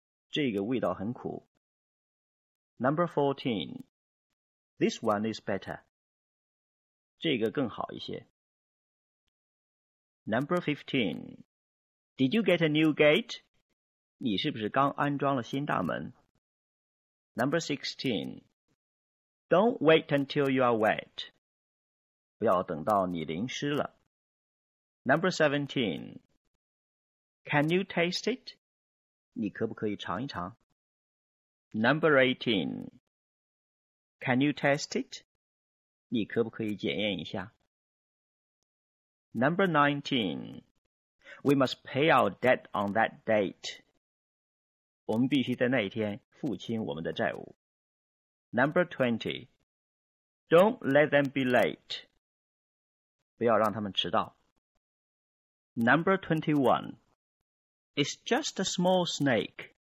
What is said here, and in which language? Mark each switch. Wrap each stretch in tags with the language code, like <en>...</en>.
<zh>这个味道很苦。</zh> <en>Number 14. This one is better.</en> <zh>这个更好一些。</zh> <en>Number 15. Did you get a new gate?</en> <zh>你是不是刚安装了新大门？</zh> <en>Number 16. Don't wait until you are wet.</en> <zh>不要等到你淋湿了。</zh> <en>Number 17. Can you taste it?</en> <zh>你可不可以尝一尝?</zh> <en>Number 18. Can you test it?</en> <zh>你可不可以检验一下?</zh> <en>Number 19. We must pay our debt on that date.</en> <zh>我们必须在那一天付清我们的债务。</zh> <en>Number 20. Don't let them be late.</en> <zh>不要让他们迟到。</zh> <en>Number 21. It's just a small snake.</en>